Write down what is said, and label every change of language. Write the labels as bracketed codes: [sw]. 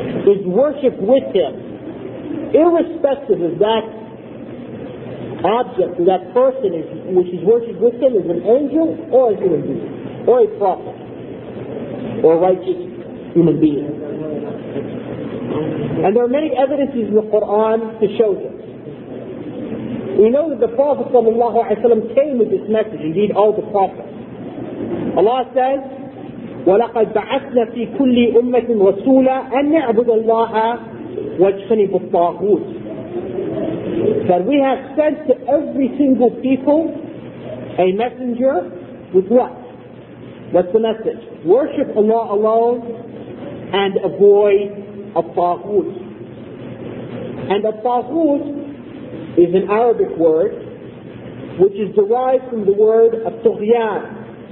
[en] is worshipped with him, irrespective of that object or that person which is worshipped with him is an angel or a human being, or a prophet, or a righteous human being. And there are many evidences in the Quran to show this. We know that the Prophet sallallahu alaihi wasallam came with this message. Indeed, all the prophets. Allah says, [ar] وَلَقَدْ بَعَثْنَا فِي كُلِّ أُمَّةٍ رَسُولًا أَنْ نَعْبُدَ اللَّهَ وَاجْتَنِبُ الطَّاغُوتِ. [en] That we have sent to every single people a messenger with what? What's the message? Worship Allah alone and avoid a taghut. And a taghut is an Arabic word which is derived from the word at-tughyan.